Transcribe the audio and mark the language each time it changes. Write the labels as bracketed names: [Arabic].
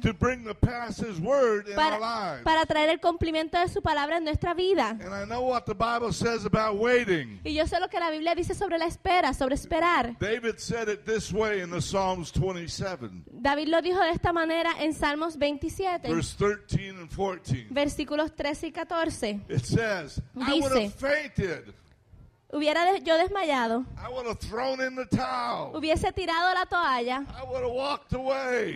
[English] To bring the past His word in our lives. [Spanish] Para traer el cumplimiento de su palabra en nuestra vida. [English] And I know what the Bible says about waiting. [Spanish] Y yo sé lo que la Biblia dice sobre la espera, sobre esperar. [English] David said it this way in the Psalms 27. [Spanish] David lo dijo de esta manera en Salmos 27. [English] Verse 13 and 14. [Spanish] Versículos 13 y 14. [English] It says, [Spanish] dice, [English] I would have fainted. [Spanish] Hubiera yo desmayado. [English] I would have thrown in the towel. [Spanish] Hubiese tirado la toalla. [English] I would have walked away.